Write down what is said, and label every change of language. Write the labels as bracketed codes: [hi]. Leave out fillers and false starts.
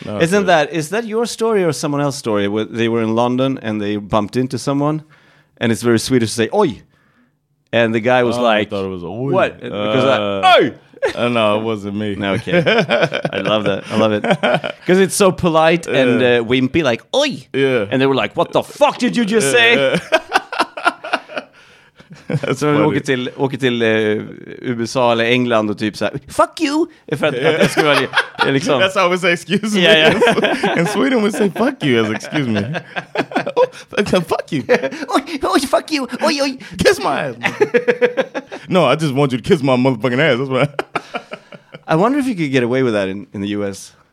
[en] Is that your story or someone else's story? Where they were in London and they bumped into someone and it's very Swedish to say oi. And the guy was I thought it was oi. What? Because oi! No, it wasn't me. No, okay. I love that. I love it. Because it's so polite and wimpy, like, oi! Yeah. And they were like, what the fuck did you just say? That's funny. [sv] Så de åker till USA eller England och typ så här, [en] fuck you! That's how we say excuse me. Yeah, yeah. In Sweden we say fuck you as excuse me. Fuck you. Oh, fuck you. Oi, oi. Kiss my ass. No, I just want you to kiss my motherfucking ass. That's what I wonder if you could get away with that in the US.